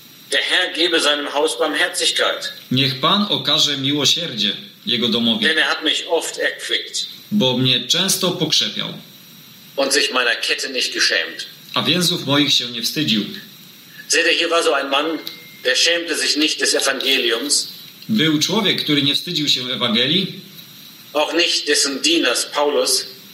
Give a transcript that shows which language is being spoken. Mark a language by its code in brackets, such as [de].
[de] Der Herr gebe seinem Haus barmherzigkeit. [pl] Niech Pan okaże miłosierdzie jego domowi. [de] Denn er hat mich oft erquickt. [pl] Bo mnie często pokrzepiał. [de] Und sich meiner Kette nicht geschämt. [pl] A więzów moich się nie wstydził. [de] Seht ihr, hier war so ein Mann, der schämte sich nicht des Evangeliums. [pl] Był człowiek, który nie wstydził się Ewangelii. [de] Auch nicht dessen Dieners Paulus.